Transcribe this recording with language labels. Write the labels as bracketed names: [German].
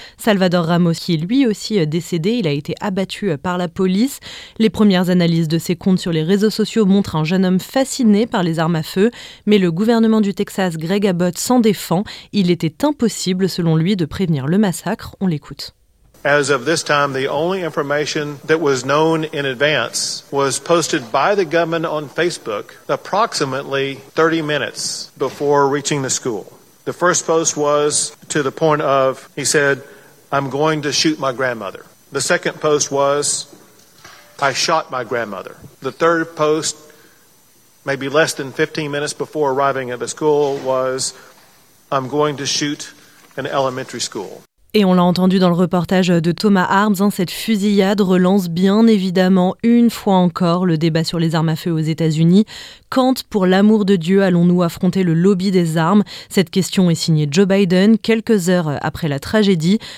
[French] Salvador Ramos, qui est lui aussi décédé, il a été abattu par la police. Les premières analyses de ses comptes sur les réseaux sociaux montrent un jeune homme fasciné par les armes à feu. Mais le gouvernement du Texas, Greg Abbott, s'en défend. Il était impossible, selon lui, de prévenir le massacre. On l'écoute. [English] As of this time, the only information that was known in advance was posted by the gunman on Facebook approximately 30 minutes before reaching the school. The first post was to the point of, he said, I'm going to shoot my grandmother. The second post was, I shot my grandmother. The third post, maybe less than 15 minutes before arriving at the school, was I'm going to shoot an elementary school. [French] Et on l'a entendu dans le reportage de Thomas Harms, hein, cette fusillade relance bien évidemment une fois encore le débat sur les armes à feu aux États-Unis. Quand, pour l'amour de Dieu, allons-nous affronter le lobby des armes? Cette question est signée Joe Biden quelques heures après la tragédie.